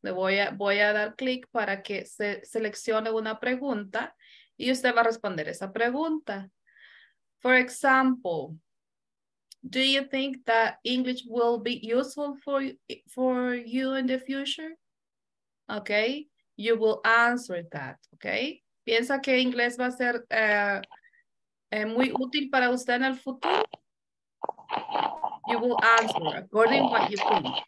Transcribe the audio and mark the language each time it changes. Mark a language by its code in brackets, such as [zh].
[es] Le voy a dar clic para que se seleccione una pregunta y usted va a responder esa pregunta. [en] For example, do you think that English will be useful for you in the future? Okay, you will answer that, okay? [es] ¿Piensa que inglés va a ser muy útil para usted en el futuro? [en] You will answer according to what you think.